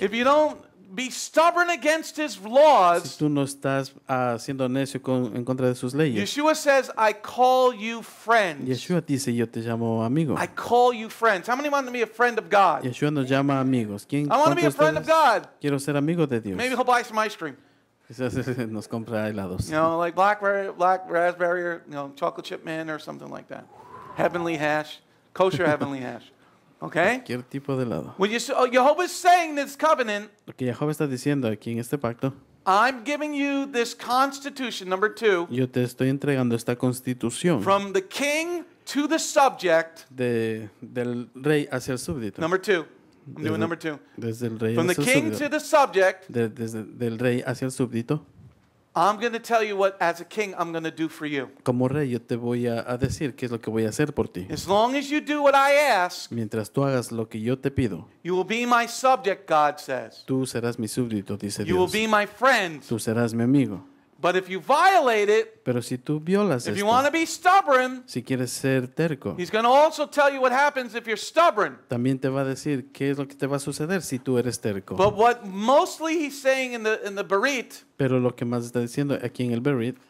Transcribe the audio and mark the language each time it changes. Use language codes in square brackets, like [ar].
[en] if you don't be stubborn against his laws, [es] si tú no estás siendo necio en contra de sus leyes, [en] Yeshua says, I call you friends. [es] Yeshua dice, yo te llamo amigo. [en] I call you friends. How many want to be a friend of God? [es] Yeshua nos llama amigos. ¿Quién, [en] I want to be a friend of God. [es] Quiero ser amigo de Dios. [en] Maybe he'll buy some ice cream. [es] Quizás nos compra helados. [en] You know, like black raspberry, or, you know, chocolate chip man or something like that. Heavenly hash. Kosher heavenly hash. Okay. [es] Cualquier tipo de lado. [en] When Jehovah is saying this covenant, [es] lo que Jehová está diciendo aquí en este pacto, [en] I'm giving you this constitution, number two. [es] Yo te estoy entregando esta constitución. [en] From the king to the subject. [es] Del rey hacia el súbdito. [en] Number two. I'm doing number two. [es] Desde el rey [en] from [es] hacia [en] the king [es] el [en] to the subject. [es] Del rey hacia el súbdito. [en] I'm going to tell you what, as a king, I'm going to do for you. [es] Como rey, yo te voy a decir qué es lo que voy a hacer por ti. [en] As long as you do what I ask, [es] mientras tú hagas lo que yo te pido, [en] you will be my subject, God says. [es] Tú serás mi súbdito, dice Dios. [en] You will be my friend. [es] Tú serás mi amigo. [en] But if you violate it, [es] pero si tú violas [en] if you want to be stubborn, [es] si quieres ser terco, [en] he's going to also tell you what happens if you're stubborn. [es] También te va a decir qué es lo que te va a suceder si tú eres terco. [en] But what mostly he's saying in the berit, [es] pero lo que más está diciendo aquí en el berit,